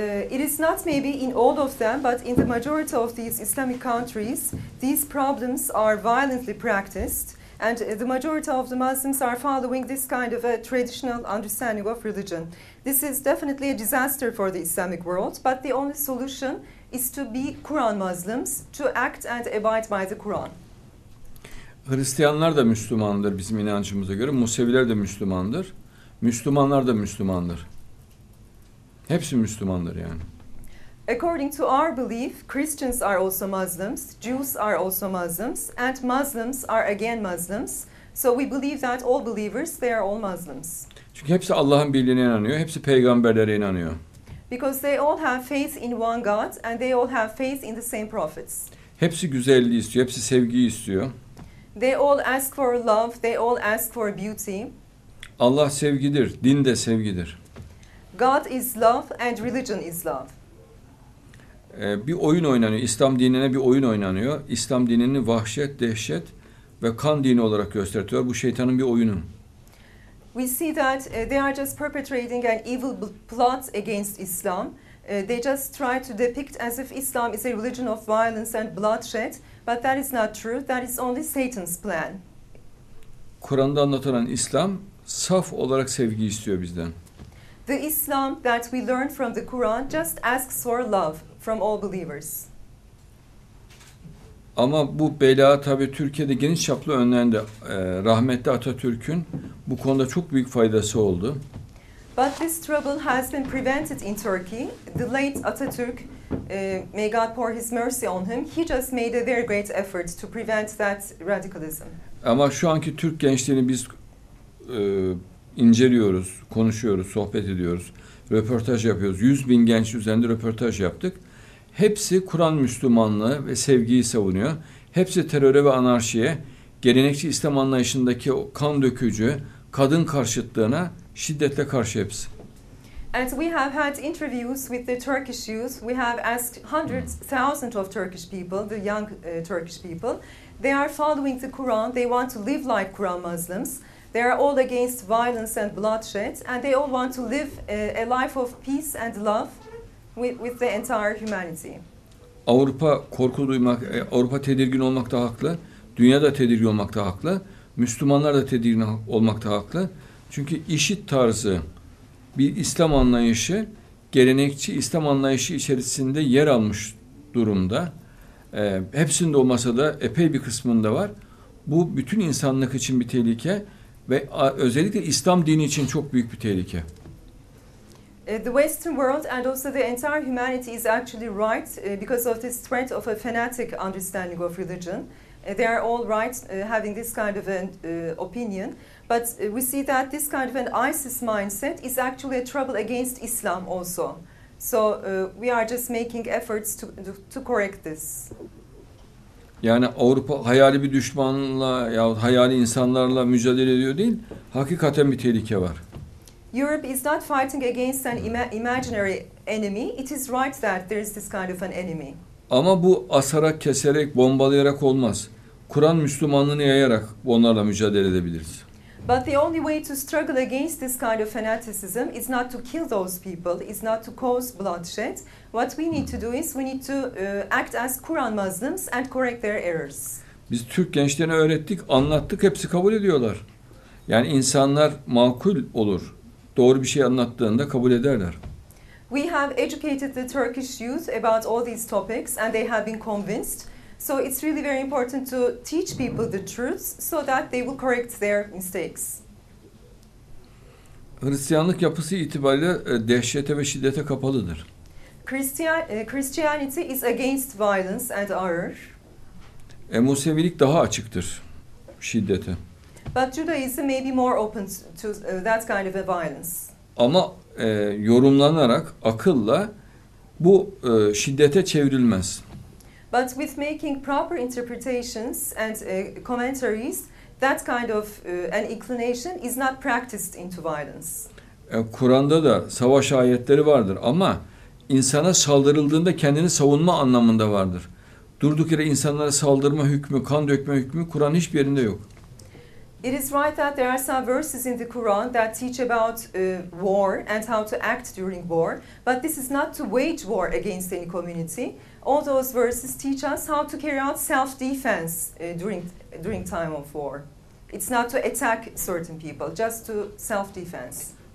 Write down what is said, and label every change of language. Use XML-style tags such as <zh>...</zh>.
<en>It is not maybe in all of them, but in the majority of these Islamic countries, these problems are violently practiced, and the majority of the Muslims are following this kind of a traditional understanding of religion. This is definitely a disaster for the Islamic world, but the only solution is to be Quran Muslims, to act and abide by the Quran.</en> <tr>Hristiyanlar da Müslümandır bizim inancımıza göre, Museviler de Müslümandır, Müslümanlar da Müslümandır. Hepsi Müslümandır yani.</tr> <en>According to our belief, Christians are also Muslims, Jews are also Muslims, and Muslims are again Muslims. So we believe that all believers, they are all Muslims.</en> <tr>Çünkü hepsi Allah'ın birliğine inanıyor, hepsi peygamberlere inanıyor.</tr> <en>Because they all have faith in one God and they all have faith in the same prophets.</en> <tr>Hepsi güzelliği istiyor, hepsi sevgiyi istiyor.</tr> <en>They all ask for love, they all ask for beauty.</en> <tr>Allah sevgidir, din de sevgidir.</tr> <en>God is love and religion is love.</en> <tr>Bir oyun oynanıyor. İslam dinine bir oyun oynanıyor. İslam dinini vahşet, dehşet ve kan dini olarak gösteriyor. Bu şeytanın bir oyunu.</tr> <en>We see that they are just perpetrating an evil plot against Islam. They just try to depict as if Islam is a religion of violence and bloodshed, but that is not true. That is only Satan's plan.</en> <tr>Kur'an'da anlatılan İslam saf olarak sevgi istiyor bizden.</tr> <en>The Islam that we learn from the Quran just asks for love from all believers.</en> <tr>Ama bu bela tabii Türkiye'de geniş çaplı önlendi. Rahmetli Atatürk'ün bu konuda çok büyük faydası oldu.</tr> <en>But this trouble has been prevented in Turkey. The late Atatürk, may God pour his mercy on him, he just made a very great effort to prevent that radicalism.</en> <tr>Ama şu anki Türk gençliğini biz inceliyoruz, konuşuyoruz, sohbet ediyoruz, röportaj yapıyoruz. 100.000 genç üzerinde röportaj yaptık. Hepsi Kur'an Müslümanlığı ve sevgiyi savunuyor. Hepsi teröre ve anarşiye, gelenekçi İslam anlayışındaki o kan dökücü, kadın karşıtlığına şiddetle karşı hepsi.</tr> <en>And we have had interviews with the Turkish youth. We have asked hundreds, thousands of Turkish people, the young Turkish people. They are following the Quran. They want to live like Quran Muslims. They are all against violence and bloodshed, and they all want to live a life of peace and love with the entire humanity.</en> <tr>Avrupa korku duymak, Avrupa tedirgin olmakta haklı, dünya da tedirgin olmakta haklı, Müslümanlar da tedirgin olmakta haklı. Çünkü IŞİD tarzı bir İslam anlayışı, gelenekçi İslam anlayışı içerisinde yer almış durumda. Hepsinde olmasa da epey bir kısmında var. Bu bütün insanlık için bir tehlike. Ve özellikle İslam dini için çok büyük bir tehlike.</tr> <en>The Western world and also the entire humanity is actually right because of this threat of a fanatic understanding of religion. They are all right having this kind of an opinion. But we see that this kind of an ISIS mindset is actually a trouble against Islam also. So we are just making efforts to correct this.</en> <tr>Yani Avrupa hayali bir düşmanla yahut hayali insanlarla mücadele ediyor değil, hakikaten bir tehlike var.</tr> <en>Europe is not fighting against an imaginary enemy. It is right that there is this kind of an enemy.</en> <tr>Ama bu asarak, keserek, bombalayarak olmaz. Kur'an Müslümanlığını yayarak onlarla mücadele edebiliriz.</tr> <en>But the only way to struggle against this kind of fanaticism is not to kill those people, is not to cause bloodshed. What we need to do is we need to act as Quran Muslims and correct their errors.</en> <tr>Biz Türk gençlerine öğrettik, anlattık, hepsi kabul ediyorlar. Yani insanlar makul olur. Doğru bir şey anlattığında kabul ederler.</tr> <en>We have educated the Turkish youth about all these topics and they have been convinced. So it's really very important to teach people the truth so that they will correct their mistakes.</en> <tr>Hristiyanlık yapısı itibariyle dehşete ve şiddete kapalıdır.</tr> <en>Christianity is against violence and horror.</en> <tr>Musevilik daha açıktır şiddete.</tr> <en>But Judaism may be more open to that kind of a violence.</en> <tr>Ama yorumlanarak akılla bu şiddete çevrilmez.</tr> <en>But with making proper interpretations and commentaries, that kind of an inclination is not practiced into violence.</en> <tr>Kur'an'da da savaş ayetleri vardır ama insana saldırıldığında kendini savunma anlamında vardır. Durduk yere insanlara saldırma hükmü, kan dökme hükmü Kur'an hiçbir yerinde yok.</tr> <en>It is right that there are some verses in the Quran that teach about war and how to act during war, but this is not to wage war against any community. All those verses teach us how to carry out self-defense during time of war. It's not to attack certain people, just to self-defense.</en>